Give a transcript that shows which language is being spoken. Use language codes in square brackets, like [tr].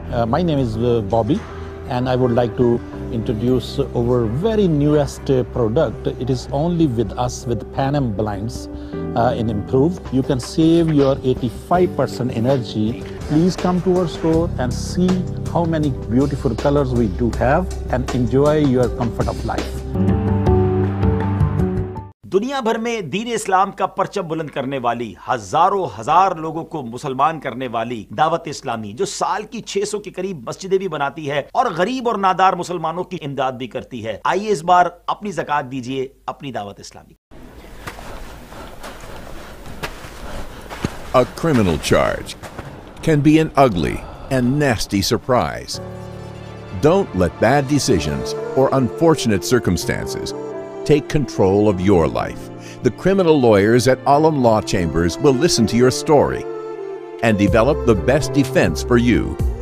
[en] My name is Bobby, and I would like to introduce our very newest product. It is only with us, with Pan Am Blinds in Improve. You can save your 85% energy. Please come to our store and see how many beautiful colors we do have and enjoy your comfort of life. [ur] دنیا بھر میں دین اسلام کا پرچم بلند کرنے والی ہزاروں ہزار لوگوں کو مسلمان کرنے والی دعوت اسلامی جو سال کی 600 کے قریب مسجدیں بھی بناتی ہے اور غریب اور نادار مسلمانوں کی امداد بھی کرتی ہے آئیے اس بار اپنی زکات دیجئے اپنی دعوت اسلامی [en] A criminal charge can be an ugly and nasty surprise. Don't let bad decisions or unfortunate circumstances take control of your life. The criminal lawyers at Alam Law Chambers will listen to your story and develop the best defense for you.